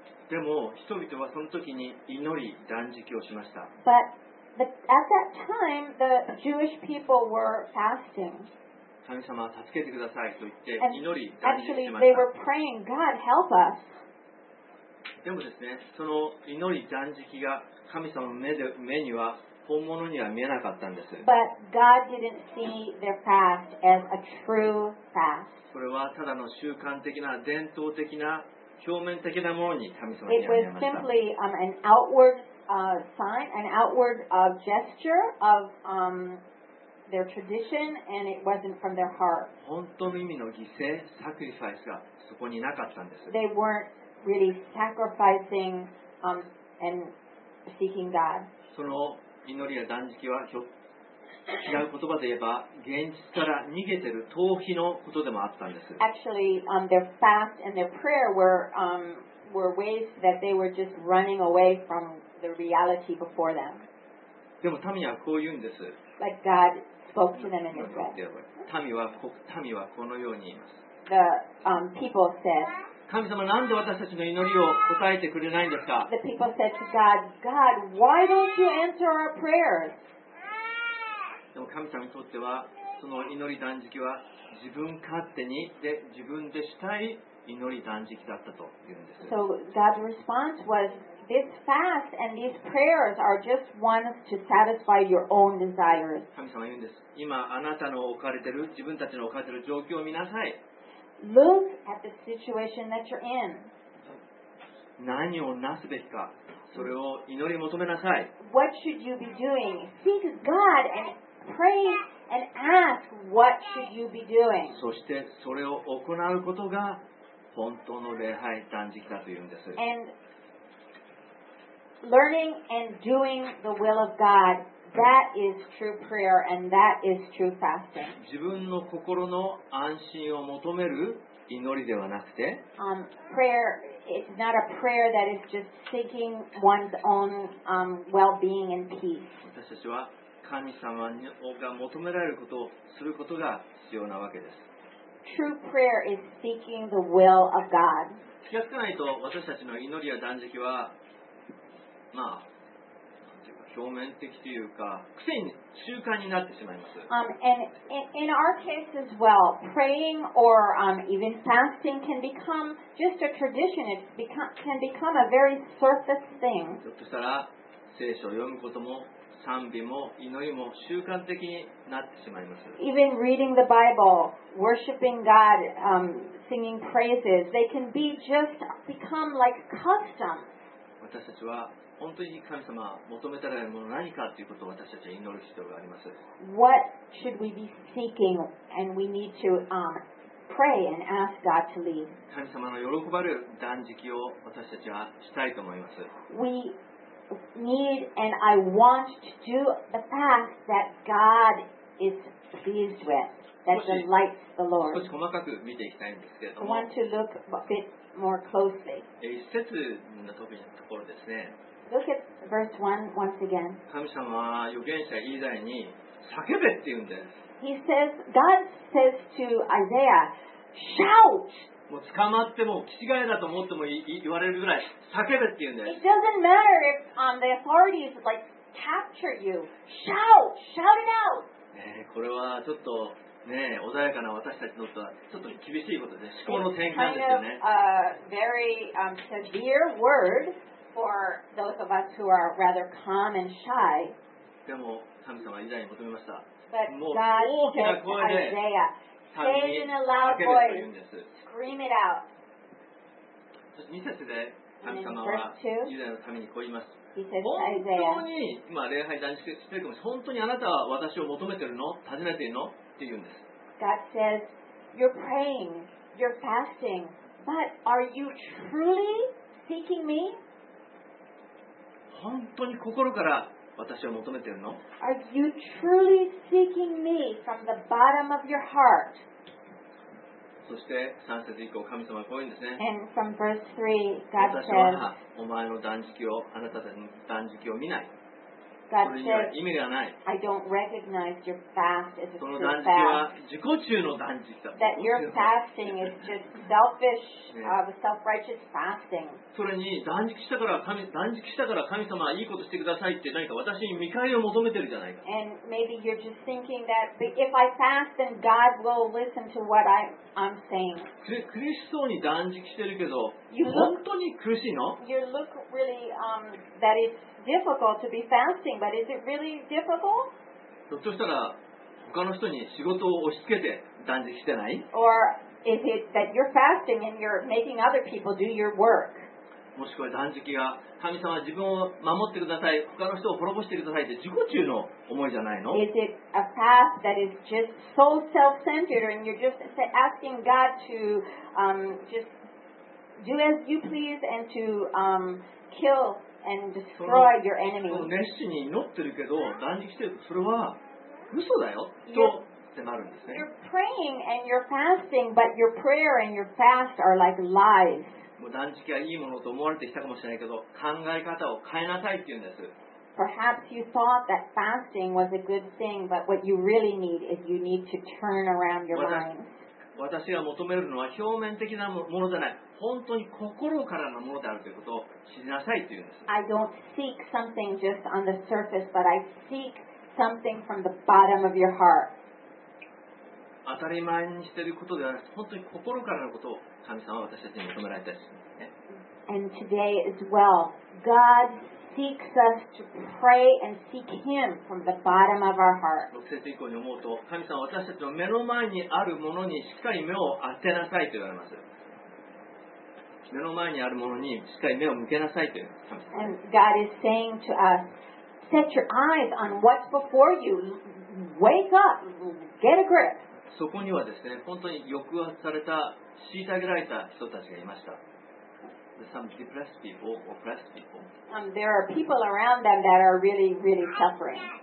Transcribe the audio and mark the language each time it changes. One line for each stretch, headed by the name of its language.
Japanese: でも人々はその時に祈り、断食をしました。
English: But at that time, the Jewish people were fasting.
Japanese: 神様、助けてくださいと言って祈り、断食をしました。
English: And actually, they were praying, God, help us.
Japanese: でもですね、その祈り断食が神様の目には本物には見えなかったんです。
English: But God didn't see their fast as a true fast.
Japanese: それはただの習慣的な伝統的な表面的なものに神様には見えました。
English: It was simply an outward sign, an outward gesture of their tradition, and it wasn't from their heart.
Japanese: 本当の意味の犠牲、サクリファイスがそこになかったんです。
English: They weren't. Really sacrificing and seeking God.
Japanese: その祈りや断食は違う言葉で言えば現実から逃げてる逃避のことでもあったんです。
English: Actually, their fast and their prayer were ways that they were just running away from the reality before them.
Japanese: でも民はこう言うんです。
English: Like God spoke to them in his way.
Japanese: 民はこのように言います。
English: The people said,
Japanese: 神様、なんで私たちの祈りを答えてくれないんですか?
English: The people said to God, God, why don't you answer our prayers?
Japanese: でも神様にとっては、その祈り断食は自分勝手にで自分でしたい祈り断食だったというんです。
English: So God's response was, this fast and these prayers are just one to satisfy your own desires.
Japanese: 神様は言うんです。今あなたの置かれている、自分たちの置かれている状況を見なさい。
English: Look at the situation that you're in.
Japanese: 何をなすべきか、それを祈り求めなさい。
English: What should you be doing? Seek God and pray and ask what should you be doing.
Japanese: そしてそれを行うことが本当の礼拝断食だというんです。
English: And learning and doing the will of God, that is true prayer and that is true fasting.
Japanese: 自分の心の安心を求める祈りではなくて、
English: prayer, it's not a prayer that is just seeking one's own well-being and peace.
Japanese: 私たちは神様が求められることをすることが必要なわけです。
English: True prayer is seeking the will of God.
Japanese: 気がつかないと私たちの祈りや断食は、まあ、なんていうか表面的というか、癖に習慣になってしまいます。
English: And in our case as well, praying or even fasting can become just a tradition. It can become a very surface thing.
Japanese: ひょっとしたら聖書を読むことも賛美も祈りも習慣的になってしまいます。
English: Even reading the Bible, worshiping God, singing praises, they can be just become like custom.
Japanese: 私たちは本当に神様求めたらいいもの何かということを私たちは祈る必要があります。
English: What should we be seeking and we need to pray and ask God to lead?
Japanese: 神様の喜ばれる断食を私たちはしたいと思います。
English: We need and I want to do the fast that God is pleased with, that delights the Lord.
Japanese: 少し細かく見ていきたいんですけれども。
English: I want to look a bit more closely.
Japanese: 一節の時のところですね。
English: Look at verse 1 once again.
Japanese: 神様は預言者イザヤに叫べって言うんです。
English: He says, God says to Isaiah, shout!
Japanese: もう捕まっても、気違いだと思っても言われるぐらい、叫べって言うんです。
English: It doesn't matter if the authorities like capture you. Shout! Shout it out!、
Japanese: これはちょっと、ね、穏やかな私たちにとってはちょっと厳しいことです。思考の転換ですよね。
English: It's kind of a very severe word for those of us who are rather calm and shy.
Japanese: でも、神様は以前に求めました。
English: But、
Japanese: もう大きな声で、神様に叫べって言うんです。
English: Scream it out.
Japanese: 2節で神様はユダヤのためにこう言います。
English: Says,
Japanese: 本当に今礼拝断食してるかもしれない。本当にあなたは私を求めてるの？尋ねてるの？って言うんです。
English: God says, you're praying, you're fasting, but are you truly seeking me?
Japanese: 本当に心から私を求めてるの？
English: Are you truly seeking me from the bottom of your heart?
Japanese: そして3節以降神様はこう言うんですね。
English: And from verse 3, God says,
Japanese: 私はお前の断食を、あなたたちの断食を見ない。
English: God、
Japanese: それには意味がない。
English: I don't recognize your fast as a
Japanese: その断食は自己中の断食だ。
English: That your fasting is just selfish, self-righteous fasting.
Japanese: それに断食したから神様はいいことしてくださいって何か私に見返りを求めてるじゃないか。
English: And maybe you're just thinking that if I fast, then God will listen to what I'm saying.
Japanese: 苦しそうに断食してるけど、本当に苦しいの？
English: You look really that it's difficult to be fasting, but is it really difficult?
Japanese: ひょっとしたら他の人に仕事を押し付けて断食してない？
English: Or is it that you're fasting and you're making other people do your work?
Japanese: もしくは断食が神様自分を守ってください、他の人を滅ぼしてくださいって自己中の思いじゃないの？
English: Is it a fast that is just so self-centered and you're just asking God to just do as you please and to kill and destroy your enemy.
Japanese: その熱心に祈ってるけど断食してるとそれは嘘だよとってなるんですね。
English: You're praying and you're fasting, but your prayer and your fast are like lies.
Japanese: もう断食はいいものと思われてきたかもしれないけど考え方を変えなさいって言うんです。
English: perhaps you thought that fasting was a good thing, but what you really need is you need to turn around your mind.
Japanese: 私が求めるのは表面的なものじゃない。本当に心からのものであるということを知りなさいというんです。
English: I don't seek something just on the surface, but I seek something from the bottom of your heart.
Japanese: 当たり前にしていることではなく、本当に心からのことを神様は私たちに求められたいです、ね。
English: And today as well, God seeks us to pray and seek Him from the bottom of our heart.
Japanese: 6節以降に思うと、神様は私たちの目の前にあるものにしっかり目を当てなさいと言われます。目の前にあるものにしっかり目を向けなさいと言われます。
English: And God is saying to us, set your eyes on what's before you. Wake up. Get a grip.
Japanese: そこにはですね、本当に抑圧された、虐げられた人たちがいました。
English: Some depressed people, oppressed people. There are people around them that are really, really suffering.